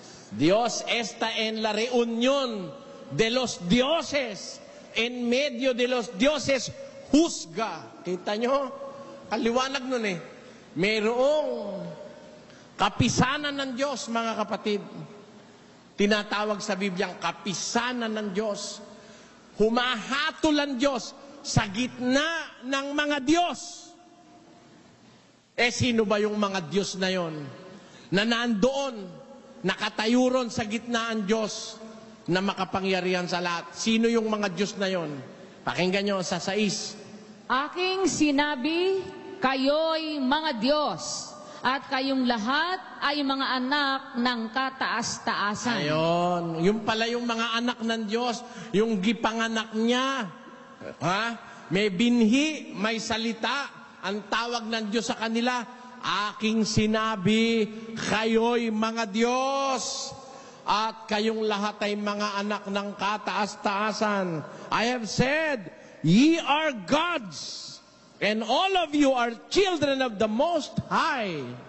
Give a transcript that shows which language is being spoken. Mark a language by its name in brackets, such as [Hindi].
[Spanish] Dios esta en la reunión de los dioses, en medio de los dioses juzga. [Filipino] Kita nyo, kaliwanag nun eh. Mayroong kapisanan ng Diyos, mga kapatid. Tinatawag sa Bibliang kapisanan ng Diyos. Humahatol ang Diyos sa gitna ng mga Diyos. Eh sino ba yung mga Diyos na yon na nandoon, nakatayuron sa gitna ang Diyos na makapangyarihan sa lahat? Sino yung mga Diyos na yon? Pakinggan nyo sa 6. Aking sinabi, kayo'y mga Diyos at kayong lahat ay mga anak ng kataas-taasan. Ayun. Yung pala yung mga anak ng Diyos, yung gipanganak niya. Ha? May binhi, may salita. Ang tawag ng Diyos sa kanila, aking sinabi, kayo'y mga Diyos at kayong lahat ay mga anak ng kataas-taasan. [English] I have said, ye are gods and all of you are children of the Most High.